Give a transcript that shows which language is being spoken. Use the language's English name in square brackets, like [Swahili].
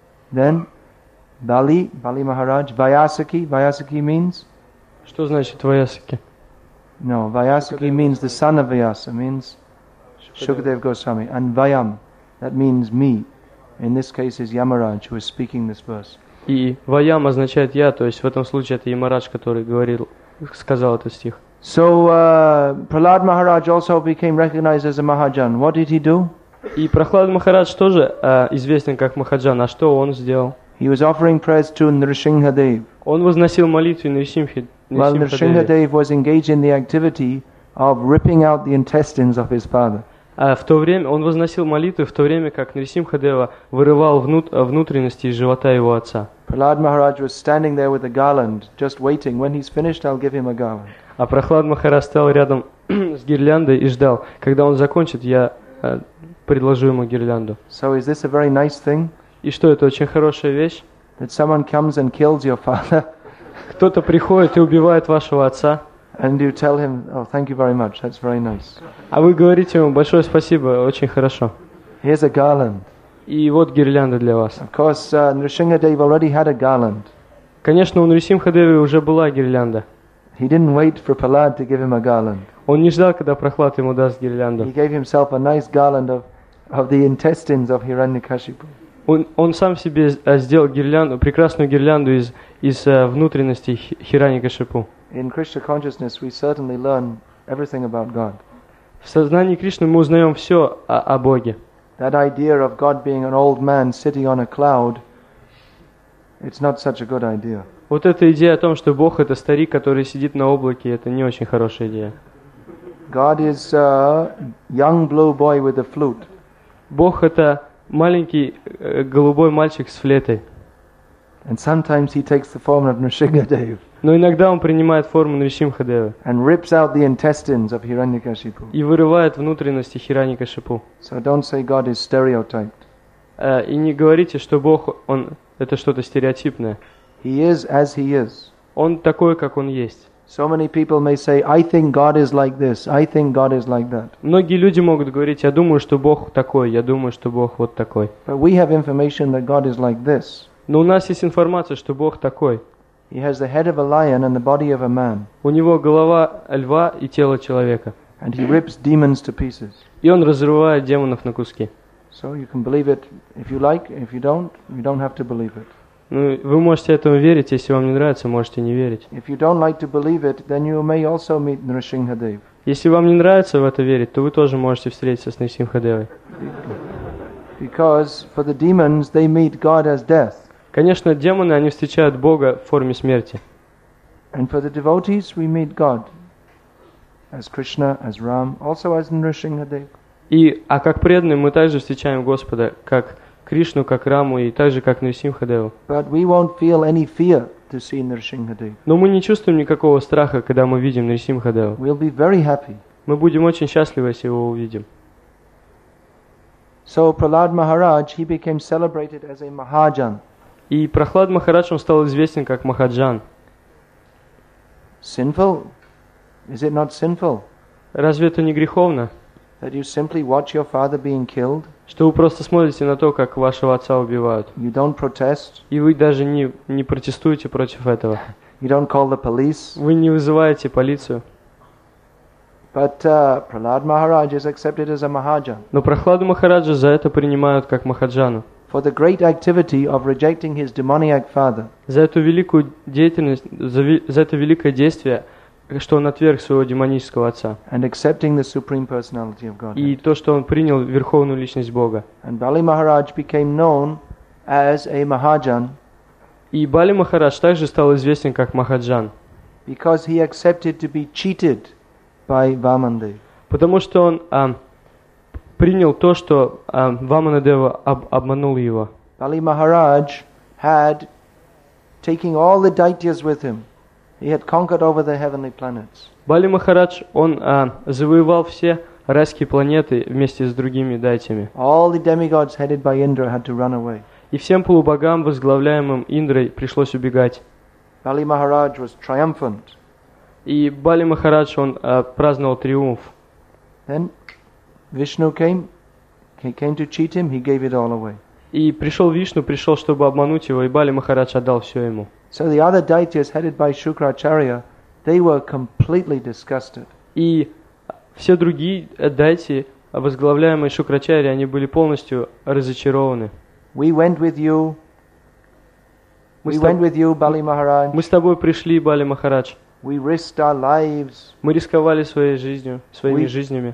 [English] Then Bali Maharaj, Vyasaki. Vyasaki means? [Russian] Что значит Vyasaki? [English] No, Vyasaki means the son of Vyasa, means Shukadev Goswami. And Vayam, that means me. In this case is Yamaraj who is speaking this verse. [Russian] И Ваям означает я, то есть в этом случае это Ямарадж, который говорил, сказал этот стих. [English] So Prahlad Maharaj also became recognized as a Mahajan. What did he do? [Russian] И Прахлад Махарадж тоже известен как Махаджан. А что он сделал? [English] He was offering prayers to Нрисимхадев. [Russian] Он возносил молитвы Нрисимхадеве. [English] While Нрисимхадев was engaged in the activity of ripping out the intestines of his father. [Russian] В то время он возносил молитвы, в то время как Нрисимхадева вырывал внутренности из живота его отца. [English] Prahlad Maharaj was standing there with a garland, just waiting. When he's finished, I'll give him a garland. [Russian] А Прахлад Махарадж стоял рядом с гирляндой и ждал, когда он закончит, я предложу ему гирлянду. [English] So is this a very nice thing? [Russian] И что, это очень хорошая вещь? [English] That someone comes and kills your father. [Russian] Кто-то приходит и убивает вашего отца. [English] And you tell him, oh, thank you very much, that's very nice. [Russian] А вы говорите ему, большое спасибо, очень хорошо. [English] Here's a garland. [Russian] И вот гирлянда для вас. [English] Of course, Нрисимхадев already had a garland. [Russian] Конечно, у Нрисимхадеви уже была гирлянда. [English] He didn't wait for Prahlad to give him a garland. [Russian] Он не ждал, когда Прохлад ему даст гирлянду. [English] He gave himself a nice garland of the intestines of Hiranyakashipu. [Russian] Он сам себе сделал гирлянду, прекрасную гирлянду из внутренностей Хираньякашипу. [English] In Krishna consciousness we certainly learn everything about God. [Russian] В сознании Кришны мы узнаем все о Боге. [English] That idea of God being an old man sitting on a cloud, it's not such a good idea. [Russian] Вот эта идея о том, что Бог это старик, который сидит на облаке, это не очень хорошая идея. [English] God is a young blue boy with a flute. [Russian] Бог это маленький голубой мальчик с флейтой. [English] And sometimes he takes the form of Nrisimhadeva. [Russian] Но иногда он принимает форму Нрисимхадевы. [English] And rips out the intestines of Hiranyakashipu. [Russian] И вырывает внутренности Хираньякашипу. [English] So don't say God is stereotyped. [Russian] И не говорите, что Бог он это что-то стереотипное. [English] He is as he is. [Russian] Он такой, как он есть. [English] So many people may say, I think God is like this. I think God is like that. [Russian] Многие люди могут говорить, я думаю, что Бог такой. Я думаю, что Бог вот такой. [English] But we have information that God is like this. [Russian] Но у нас есть информация, что Бог такой. [English] He has the head of a lion and the body of a man. [Russian] У него голова льва и тело человека. [English] And he rips demons to pieces. [Russian] И он разрывает демонов на куски. [English] So you can believe it if you like. If you don't, you don't have to believe it. [Russian] Ну, вы можете этому верить, если вам не нравится, можете не верить. Если вам не нравится в это верить, то вы тоже можете встретиться с Нрисимхадевой. Конечно, демоны, они встречают Бога в форме смерти. [English] And for the devotees, we meet God as Krishna, as Ram, also as Nrisimhadeva. [Russian] А как преданные, мы также встречаем Господа, как Кришну, как Раму и также как Нрисимхадеву. Но мы не чувствуем никакого страха, когда мы видим Нрисимхадеву. [English] We'll be very happy. [Russian] Мы будем очень счастливы, если его увидим. [English] So, Prahlad Maharaj, he became celebrated as a Mahajan. [Russian] И Прохлад Махарадж он стал известен как Махаджан. [English] Sinful? Is it not sinful? [Russian] Разве это не греховно? [English] That you simply watch your father being killed? [Russian] Что вы просто смотрите на то, как вашего отца убивают. [English] You don't protest. [Russian] И вы даже не протестуете против этого. [English] You don't call the police. [Russian] Вы не вызываете полицию. [English] But Prahlad Maharaj is accepted as a Mahajan. [Russian] Но Прохладу Махараджа за это принимают как Махаджану. [English] For the great activity of rejecting his demoniac father. [Russian] За эту великую деятельность, за это великое действие, что он отверг своего демонического отца. [English] And accepting the supreme personality of God. [Russian] И то, что он принял верховную личность Бога. [English] And Bali Maharaj became known as a Mahajan. [Russian] И Бали Махарадж также стал известен как Махаджан. [English] Because he accepted to be cheated by Vamandev. [Russian] Потому что он принял то, что Ваманадева обманул его. [English] Bali Maharaj had taking all the daityas with him. He had conquered over the heavenly planets. [Russian] Бали Махарадж, он завоевал все райские планеты вместе с другими дайтями. [English] All the demigods headed by Indra had to run away. [Russian] И всем полубогам, возглавляемым Индрой, пришлось убегать. [English] Bali Maharaj was triumphant. [Russian] И Бали Махарадж, он праздновал триумф. [English] Then Vishnu came. He came to cheat him. He gave it all away. [Russian] И пришел Вишну, пришел, чтобы обмануть его, и Бали Махарадж отдал все ему. [English] So the other deities headed by Shukracharya, they were completely disgusted. [Russian] И все другие дайти, возглавляемые Шукрачарьей, они были полностью разочарованы. [English] We went with you. Bali Maharaj. [Russian] Мы с тобой пришли, Бали Махарадж. [English] We risked our lives. [Russian] Мы рисковали своей жизнью, своими жизнями.